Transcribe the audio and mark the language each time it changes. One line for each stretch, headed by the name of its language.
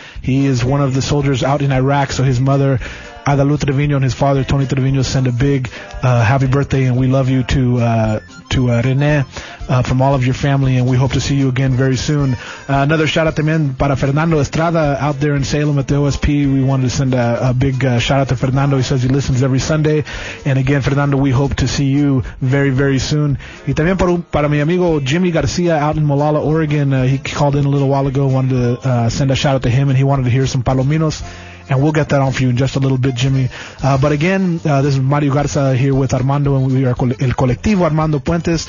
English: He is one of the soldiers out in Iraq, so his mother Adalu Treviño and his father Tony Treviño send a big happy birthday, and we love you to René from all of your family, and we hope to see you again very soon. Another shout out
Spanish: también
English: para Fernando Estrada out there in Salem at the OSP. We wanted to send a big shout out to Fernando. He says he listens every Sunday, and again, Fernando, we hope to see you very, very soon.
Spanish: Y también para mi amigo Jimmy Garcia
English: out in
Spanish: Molalla, Oregon.
English: He called in a little while ago, wanted to send a shout out to him, and he wanted to hear some Palominos. And we'll get that on for you in just a little bit, Jimmy. But again, this is Mario Garza here with Armando, and we are El Colectivo Armando Puentes.